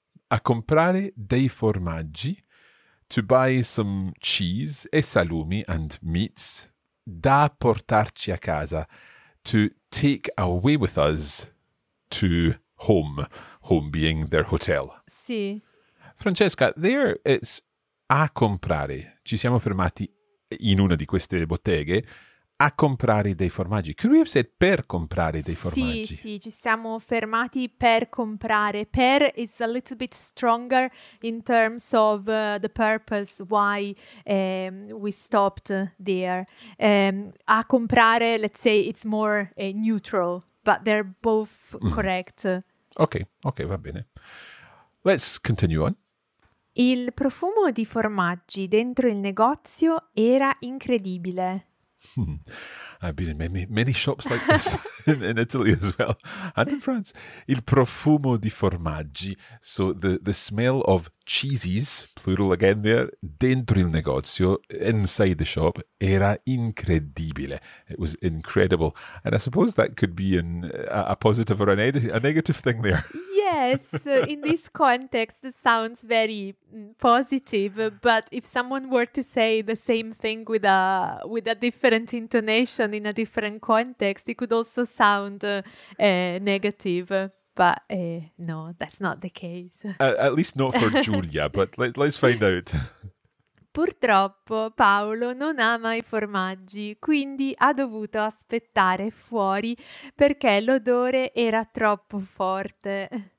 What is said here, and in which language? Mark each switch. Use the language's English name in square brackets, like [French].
[Italian] A comprare dei formaggi, [English] to buy some cheese [Italian] e salumi [English] and meats, [Italian] da portarci a casa, [English] to take away with us to home, home being their hotel. [Italian] Sì. [English] Francesca, there it's [Italian] a comprare. Ci siamo fermati in una di queste botteghe a comprare dei formaggi. [English] Could we have said [Italian] per comprare dei formaggi? Sì, sì, ci siamo fermati per comprare. [English] Per is a little bit stronger in terms of the purpose why we stopped there. A comprare, let's say, it's more neutral, but they're both correct. Okay, okay, [Italian] va bene. [English] Let's continue on. [Italian] Il profumo di formaggi dentro il negozio era incredibile. [English] I've been in many, many shops like this in Italy as well, and in France. [Italian] Il profumo di formaggi, [English] so the smell of cheeses, plural again there, [Italian] dentro il negozio, [English] inside the shop, [Italian] era incredibile. [English] It was incredible. And I suppose that could be a positive or a negative thing there. Yes, in this context, it sounds very positive. But if someone were to say the same thing with a different intonation in a different context, it could also sound negative. But no, that's not the case. At least not for Giulia, but let's find out. [Italian] Purtroppo Paolo non ama i formaggi, quindi ha dovuto aspettare fuori perché l'odore era troppo forte.